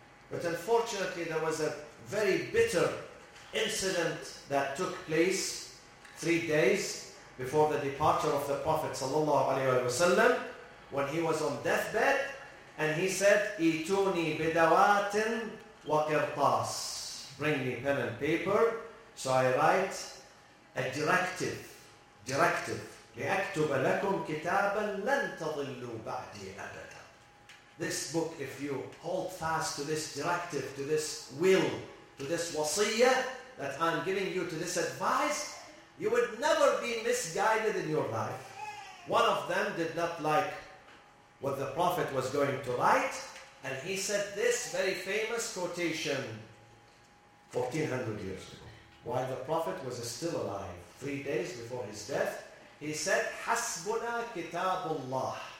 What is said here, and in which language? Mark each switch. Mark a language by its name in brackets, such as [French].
[English] But unfortunately, there was a very bitter incident that took place 3 days before the departure of the Prophet ﷺ, when he was on deathbed, and he said, "Ituni bidawatin wa qirtas." Bring me pen and paper, so I write a directive. Directive. [Arabic] لأكتب لكم كتابا لن تضلوا بعدي أبدا. [English] This book, if you hold fast to this directive, to this will, to this wasiyya that I'm giving you, to this advice, you would never be misguided in your life. One of them did not like what the Prophet was going to write, and he said this very famous quotation 1400 years ago, while the Prophet was still alive, 3 days before his death, he said, [Arabic] حَسْبُنَا كِتَابُ اللَّهِ.